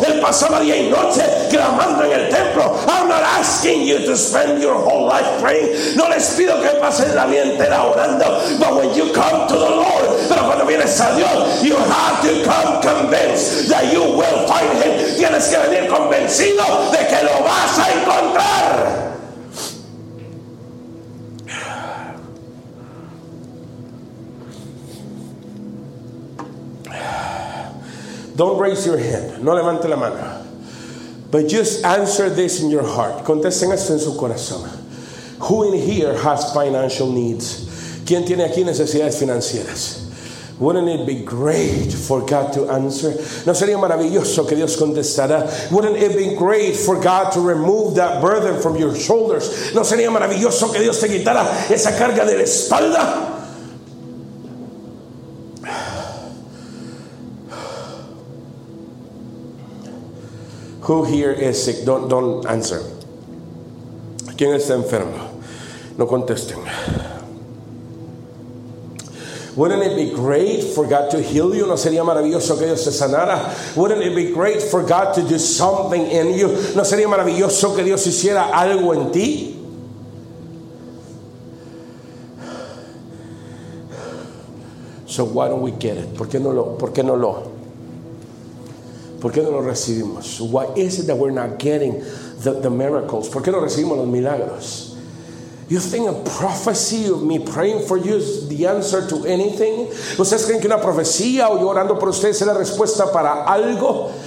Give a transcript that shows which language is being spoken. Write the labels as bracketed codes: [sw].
[es] Él pasaba día y noche clamando en el templo. [en] I'm not asking you to spend your whole life praying. [es] No les pido que pasen la vida entera orando. [en] But when you come to the Lord, [es] pero cuando vienes a Dios, [en] you have to come convinced that you will find Him. [es] Tienes que venir convencido de que lo vas a encontrar. [en] Don't raise your hand. [es] No levante la mano. [en] But just answer this in your heart. [es] Contesten esto en su corazón. [en] Who in here has financial needs? [es] ¿Quién tiene aquí necesidades financieras? [en] Wouldn't it be great for God to answer? [es] ¿No sería maravilloso que Dios contestara? [en] Wouldn't it be great for God to remove that burden from your shoulders? [es] ¿No sería maravilloso que Dios te quitara esa carga de la espalda? [en] Who here is sick? Don't answer. [es] ¿Quién está enfermo? No contesten. [en] Wouldn't it be great for God to heal you? [es] ¿No sería maravilloso que Dios te sanara? [en] Wouldn't it be great for God to do something in you? [es] ¿No sería maravilloso que Dios hiciera algo en ti? [en] So why don't we get it? [es] ¿Por qué no lo recibimos? [en] Why is it that we're not getting the miracles? [es] ¿Por qué no recibimos los milagros? [en] You think a prophecy of me praying for you is the answer to anything? [es] ¿Ustedes creen que una profecía o yo orando por ustedes es la respuesta para algo?